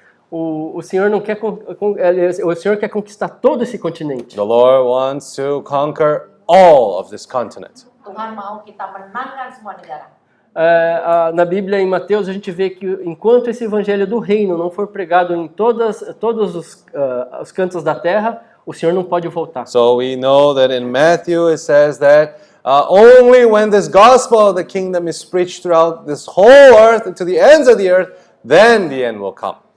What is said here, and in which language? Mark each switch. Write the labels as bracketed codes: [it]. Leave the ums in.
[pt] O, o Senhor não quer con, con, o Senhor quer conquistar todo esse continente. [id] Tuhan mau kita menangkan semua negara. [pt] É, na Bíblia em Mateus a gente vê que enquanto esse evangelho do reino não for pregado em todas todos os, uh, os, cantos da terra, o Senhor não pode voltar. [en] So we know that in Matthew it says that uh, only when this gospel of the kingdom is preached throughout this whole earth to the ends of the earth, then the end will come.